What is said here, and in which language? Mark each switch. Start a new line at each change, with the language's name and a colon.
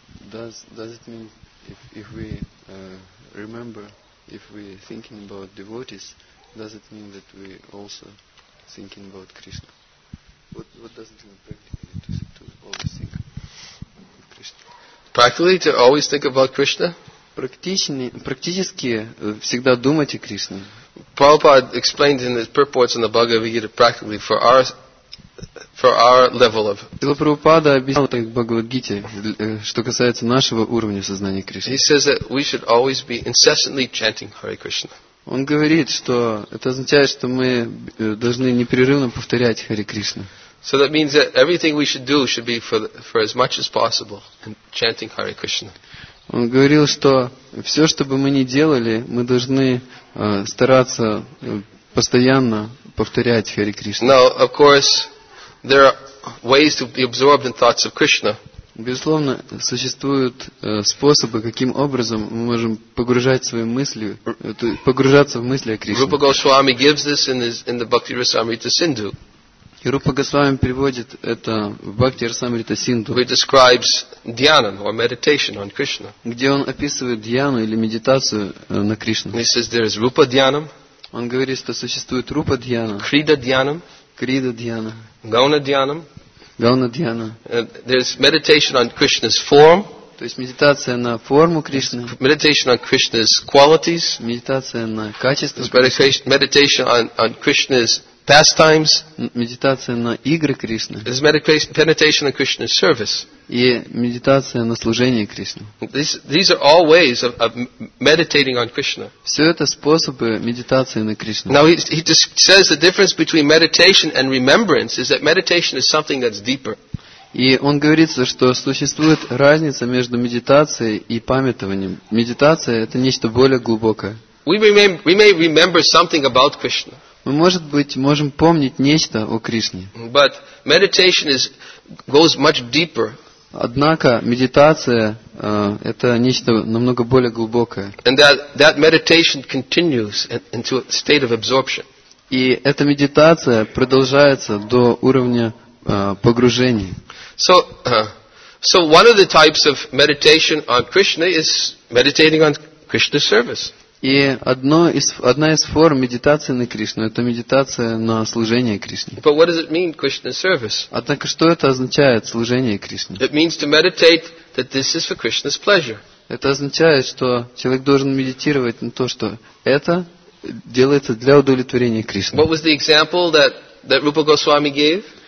English: Does it mean if we remember, if we thinking about devotees, does it mean that we also thinking about Krishna? What does it mean practically to always think about Krishna? Practically to always think about Krishna?
Russian: Практически всегда думать о Кришне.
English: Prabhupada explained in his purports in the Bhagavad Gita practically for our level of.
Russian: Прабхупада объяснил так в Бхагавад Гите, что касается нашего уровня сознания Кришны.
English: He says that we should always be incessantly chanting Hare Krishna.
Russian: Он говорит, что это означает, что мы должны непрерывно повторять Хари Кришна.
English: So that means that everything we should do should be for as much as possible in chanting Hare Krishna.
Russian: Он говорил, что все, что бы мы ни делали, мы должны стараться постоянно повторять Хари Кришна.
English: Now, of course, there are ways to be absorbed in thoughts of Krishna.
Russian: Безусловно, существуют способы, каким образом мы можем погружать свои мысли, погружаться в мысли о Кришне.
English: Rupa Goswami gives this in the Bhakti Rasamrita Sindhu.
Russian: Rupa Goswami приводит это в Бхакти Расамрита Синду.
English: He describes dhyana or meditation on Krishna.
Russian: Где он описывает дьяну или медитацию на Кришну.
English: He says there is Rupa dhyanam.
Russian: Он говорит, что существует Rupa dhyana.
Sanskrit: Krida dhyanam. Krida dhyana. Gauna dhyanam. Gauna dhyana.
English: There's meditation on Krishna's form.
Russian: То есть медитация на форму Кришны.
English: Meditation on Krishna's qualities.
Russian: Медитация на качества.
English: Meditation on Krishna's pastimes.
Russian: Медитация на игры Кришны.
English: There's meditation on Krishna's service.
Russian: И медитация на служение Кришне.
English: These are all ways of meditating on Krishna.
Russian: Все это способы медитации на Кришну.
English: Now he just says the difference between meditation and remembrance is that meditation is something that's deeper.
Russian: И он говорит, что существует разница между медитацией и памятованием. Медитация это нечто более глубокое.
English: We may remember something about Krishna.
Russian: Мы, может быть, можем помнить нечто о Кришне.
English: But meditation goes much deeper.
Russian: Однако медитация это нечто намного более глубокое.
English: And that meditation continues into a state of absorption.
Russian: И эта медитация продолжается до уровня погружения.
English: So one of the types of meditation on Krishna is meditating on Krishna's service.
Russian: И одна из форм медитации на Кришну это медитация на служение Кришне.
English: But what does it mean, Krishna's service?
Russian: Однако что это означает служение Кришне?
English: It means to meditate that this is for Krishna's pleasure.
Russian: Это означает, что человек должен медитировать на то, что это делается для удовлетворения Кришны.
English: What was the example that Rupa Goswami gave?